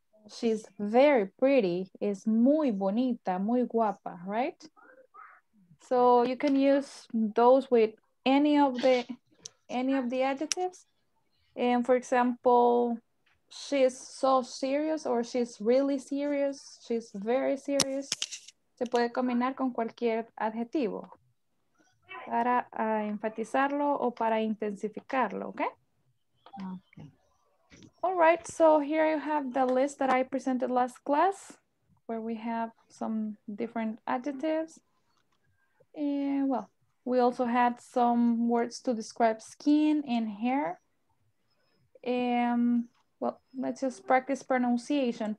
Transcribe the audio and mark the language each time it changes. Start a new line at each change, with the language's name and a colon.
English: She's very pretty,
Spanish: es muy bonita, muy guapa, right?
English: So you can use those with any of the adjectives. And for example, she's so serious, or she's really serious, she's very serious.
Spanish: Se puede combinar con cualquier adjetivo para enfatizarlo o para intensificarlo, okay?
English: Okay. All right, so here you have the list that I presented last class, where we have some different adjectives. And well, we also had some words to describe skin and hair. Well, let's just practice pronunciation.